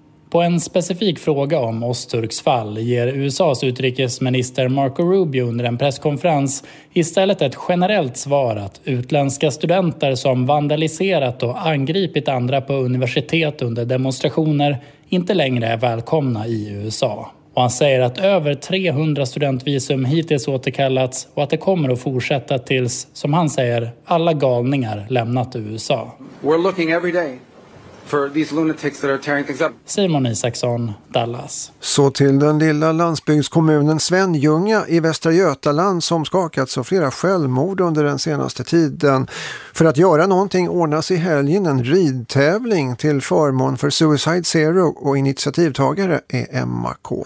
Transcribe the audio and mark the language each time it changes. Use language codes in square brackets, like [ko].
[sv] På en specifik fråga om Öztürks fall ger USAs utrikesminister Marco Rubio under en presskonferens istället ett generellt svar att utländska studenter som vandaliserat och angripit andra på universitet under demonstrationer inte längre är välkomna i USA. Och han säger att över 300 studentvisum hittills återkallats och att det kommer att fortsätta tills, som han säger, alla galningar lämnat USA. [en] We're looking every day for these lunatics that are tearing things up. [sv] Simon Isaksson, Dallas. Så till den lilla landsbygdskommunen Svenljunga i Västra Götaland som skakats av flera självmord under den senaste tiden. För att göra någonting ordnas i helgen en ridtävling till förmån för Suicide Zero och initiativtagare är Emma K.